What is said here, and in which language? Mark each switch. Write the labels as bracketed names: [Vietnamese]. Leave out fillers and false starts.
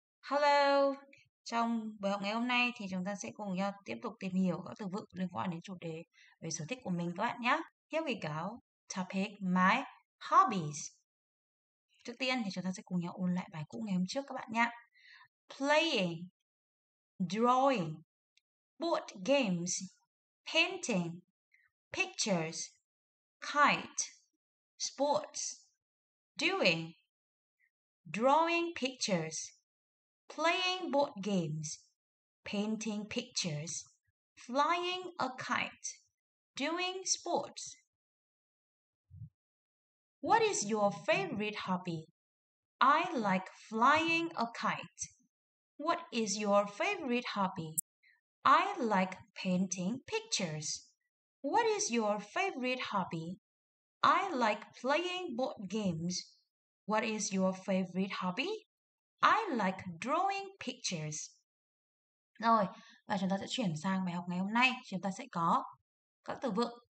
[Vietnamese] Hello, trong buổi học ngày hôm nay thì chúng ta sẽ cùng nhau tiếp tục tìm hiểu các từ vựng liên quan đến chủ đề về sở thích của mình các bạn nhé. [English] Here we go, topic my hobbies. [Vietnamese] Trước tiên thì chúng ta sẽ cùng nhau ôn lại bài cũ ngày hôm trước các bạn nhé. [English] Playing, drawing, board games, painting, pictures, kite, sports, doing, drawing pictures. Playing board games, painting pictures, flying a kite, doing sports. What is your favorite hobby? I like flying a kite. What is your favorite hobby? I like painting pictures. What is your favorite hobby? I like playing board games. What is your favorite hobby? I like drawing pictures. [Vietnamese] Rồi, và chúng ta sẽ chuyển sang bài học ngày hôm nay. Chúng ta sẽ có các từ vựng.